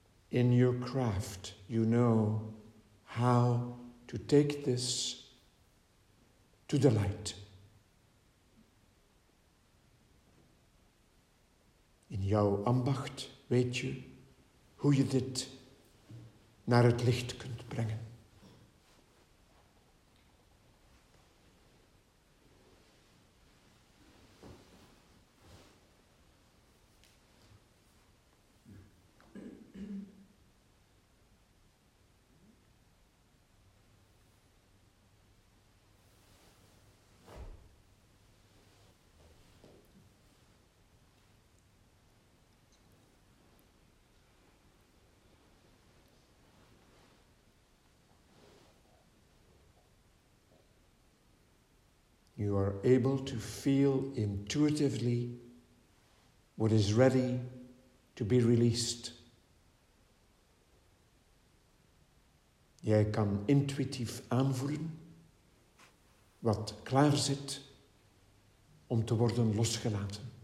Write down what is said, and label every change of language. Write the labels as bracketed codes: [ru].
[en] In your craft, you know how to take this to the light. [nl] In jouw ambacht weet je hoe je dit naar het licht kunt brengen. [en] You are able to feel intuitively what is ready to be released. [nl] Jij kan intuïtief aanvoelen wat klaar zit om te worden losgelaten.